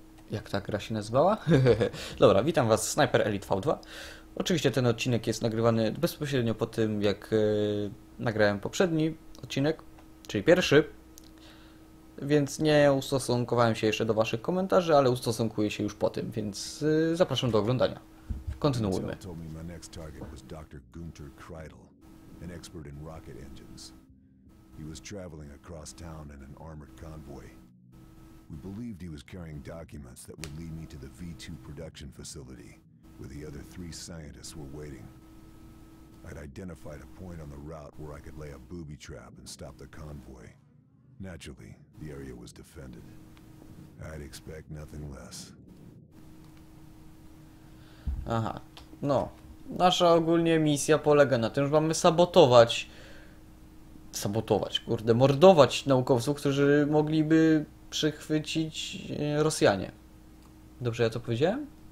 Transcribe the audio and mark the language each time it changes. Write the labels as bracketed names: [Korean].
[Polish] Jak ta gra się nazywała? Dobra, witam Was, Sniper Elite V2. Oczywiście ten odcinek jest nagrywany bezpośrednio po tym, jak nagrałem poprzedni odcinek, czyli pierwszy. Więc nie ustosunkowałem się jeszcze do Waszych komentarzy, ale ustosunkuję się już po tym, więc zapraszam do oglądania. [English] Intel [Polish] Kontynuujmy. [English] told me my next target was Dr. Gunter Kreidel, an expert in rocket engines. He was traveling across town in an armored convoy. We believed he was carrying documents that would lead me to the V2 production facility, where the other three scientists were waiting. I'd identified a point on the route where I could lay a booby trap and stop the convoy. Naturally, the area was defended. I'd expect nothing less. [Polish] Aha, no, nasza ogólnie misja polega na tym, że mamy sabotować, kurde, mordować naukowców, którzy mogliby przychwycić Rosjanie. Dobrze ja to powiedziałem?